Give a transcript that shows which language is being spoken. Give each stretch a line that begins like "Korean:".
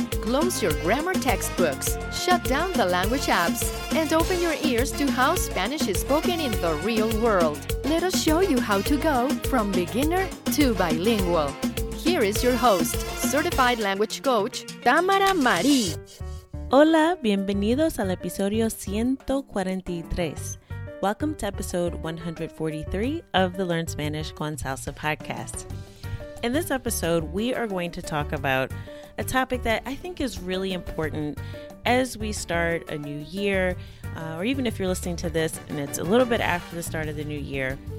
English: Close your grammar textbooks, shut down the language apps, and open your ears to how Spanish is spoken in the real world. Let us show you how to go from beginner to bilingual. Here is your host, certified language coach, Tamara Marie.
Spanish: Hola, bienvenidos al episodio 143.
English: Welcome to episode 143 of the Learn Spanish con Salsa podcast. In this episode, we are going to talk about a topic that I think is really important as we start a new year, or even if you're listening to this and it's a little bit after the start of the new year.